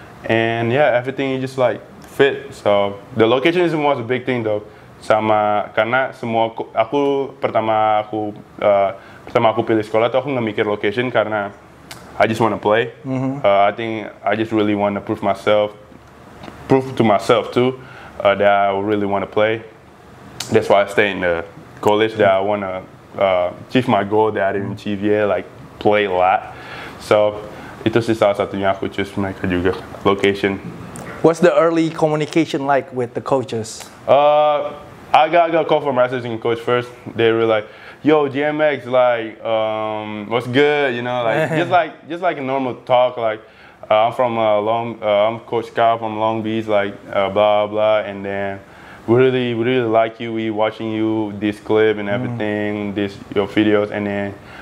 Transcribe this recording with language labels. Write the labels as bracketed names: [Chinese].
[English] And yeah, everything is just like fit. So the location is most big thing though, [Indonesian] sama karena semua aku pertama pilih sekolah tuh aku nggak mikir location, [English] karena I just want to play. I think I just really want to prove to myself too. That I really want to play. That's why I stay in the college. That I want to achieve my goal that I didn't achieve yet, like play a lot. [Indonesian] So itu sih salah satunya aku choose mereka juga, location. [English] What's the early communication like with the coaches? I got a call from messaging coach first. They were like, yo, GMX, like, what's good, you know, like just like a normal talk, like, I'm Coach Scott from Long Beach, like blah blah, and then we really like you, we watching you this clip and everything, this your videos, and then